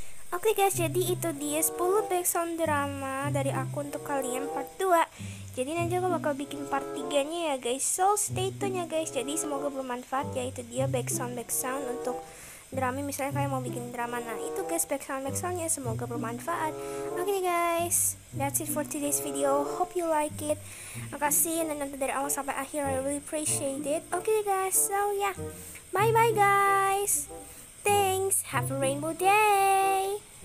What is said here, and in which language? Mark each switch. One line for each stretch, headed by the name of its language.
Indonesian: Oke guys, jadi itu dia 10 background drama dari aku untuk kalian part 2. Jadi nanti aku bakal bikin part 3-nya ya guys.
English: So stay tune
Indonesian: ya guys. Jadi semoga bermanfaat ya, itu dia background untuk drama, misalnya kalian mau bikin drama. Nah, itu guys background-nya, semoga bermanfaat.
English: Oke guys, that's it for today's video. Hope you like it.
Indonesian: Makasih yang nonton dari awal sampai akhir.
English: I really appreciate it. Oke guys, so yeah. Bye-bye guys. Thanks, have a rainbow day.